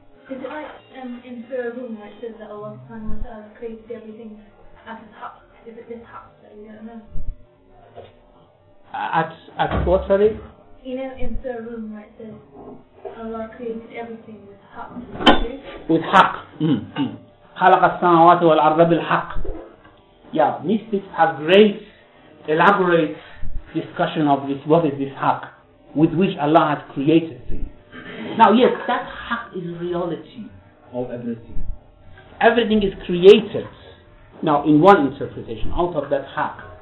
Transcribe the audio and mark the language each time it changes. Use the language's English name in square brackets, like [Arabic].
[English] Is it like in Surah Rum where it says that Allah subhanahu wa ta'ala created everything at his haq? Is it this haq that we don't know? At what, sorry? You know in Surah Rum where it says Allah created everything with haq, okay? With haq. [Arabic] خلق السماوات والأرض بالحق. [English] Yeah, mystics have great elaborate discussion of this, what is this haq with which Allah has created things. Now yes, that haq is reality of everything. Everything is created now in one interpretation out of that haq.